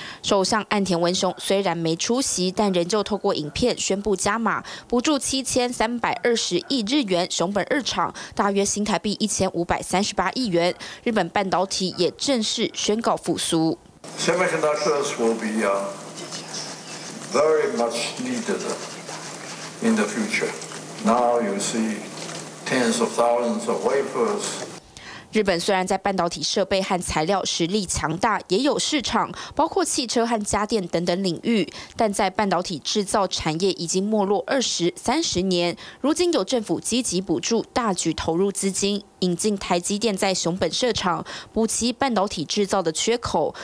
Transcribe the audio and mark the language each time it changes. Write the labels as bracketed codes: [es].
[zh] 首相岸田文雄虽然没出席，但仍旧透过影片宣布加码补助7320亿日元熊本二厂，大约新台币1538亿元。日本半导体也正式宣告复苏。 [en] Semiconductors will be very much needed in the future. Now you see tens of thousands of wafers. [zh] 日本虽然在半导体设备和材料实力强大，也有市场，包括汽车和家电等等领域，但在半导体制造产业已经没落20-30年。如今有政府积极补助，大举投入资金，引进台积电在熊本设厂，补齐半导体制造的缺口。